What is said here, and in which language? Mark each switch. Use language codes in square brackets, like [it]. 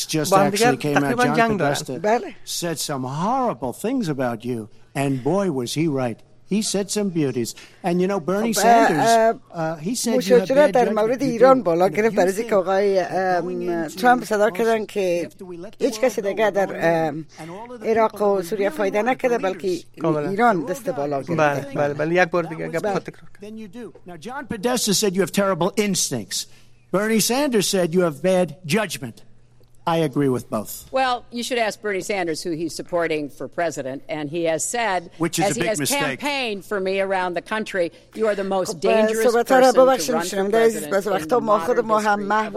[fa] با هم دیگر تقریبا جنگ دارند. بله. [en] Said some horrible things about you. And boy, was he right. He said some beauties. And you know, Bernie Sanders, he said you had [fa] در مورد ایران بالا گرفت برای اینکه آقای ترامپ صدا کردن که هیچ کسی دیگه در عراق و سوریه فایده نکرده بلکه ایران دست بالا گرفته. بله بله بله، یک بار دیگه گپ خود تکرار کرد. [en] Now John Podesta said you have terrible instincts. Bernie Sanders said you have bad judgment. I agree with both. Well, you should ask Bernie Sanders who he's supporting for president, and he has said, which is as a big he has mistake. Campaigned for me around the country, you are the most dangerous person to run for president in modern history of America.